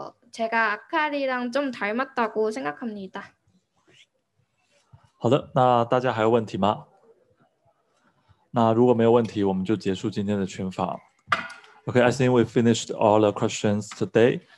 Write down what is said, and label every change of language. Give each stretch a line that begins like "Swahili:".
Korean: 제가 아카리랑 좀 닮았다고 생각합니다.
Chinese: 好的，那大家还有问题吗？那如果没有问题，我们就结束今天的群访。
English: Okay, I think we finished all the questions today.